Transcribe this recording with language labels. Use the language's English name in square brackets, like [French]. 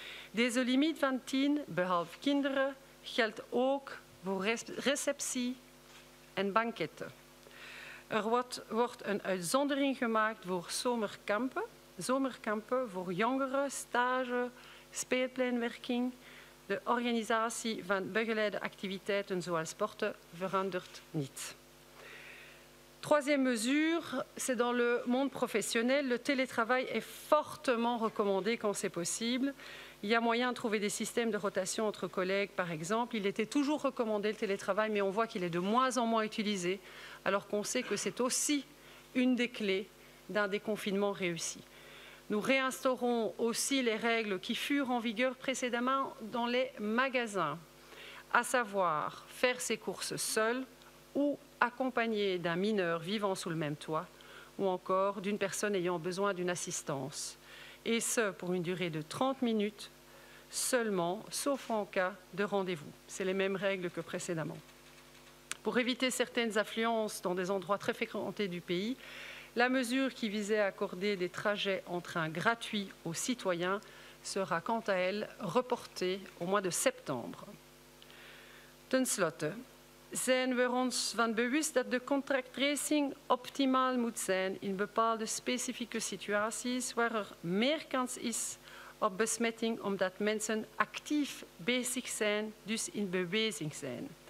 [Dutch] Deze limiet van 10, behalve kinderen, geldt ook voor receptie en banketten. Er wordt een uitzondering gemaakt voor zomerkampen. Zomerkampen voor jongeren, stage, speelpleinwerking. De organisatie van begeleide activiteiten zoals sporten verandert niet. [French] Troisième mesure, c'est dans le monde professionnel. Le télétravail est fortement recommandé quand c'est possible. Il y a moyen de trouver des systèmes de rotation entre collègues, par exemple. Il était toujours recommandé le télétravail, mais on voit qu'il est de moins en moins utilisé, alors qu'on sait que c'est aussi une des clés d'un déconfinement réussi. Nous réinstaurons aussi les règles qui furent en vigueur précédemment dans les magasins, à savoir faire ses courses seul ou accompagné d'un mineur vivant sous le même toit ou encore d'une personne ayant besoin d'une assistance. Et ce, pour une durée de 30 minutes seulement, sauf en cas de rendez-vous. C'est les mêmes règles que précédemment. Pour éviter certaines affluences dans des endroits très fréquentés du pays, la mesure qui visait à accorder des trajets en train gratuits aux citoyens sera quant à elle reportée au mois de septembre. [Dutch] Ten slotte, zijn we ons van bewust dat de contact tracing optimaal moet zijn in bepaalde specifieke situaties waar er meer kans is op besmetting omdat mensen actief bezig zijn, dus in beweging zijn.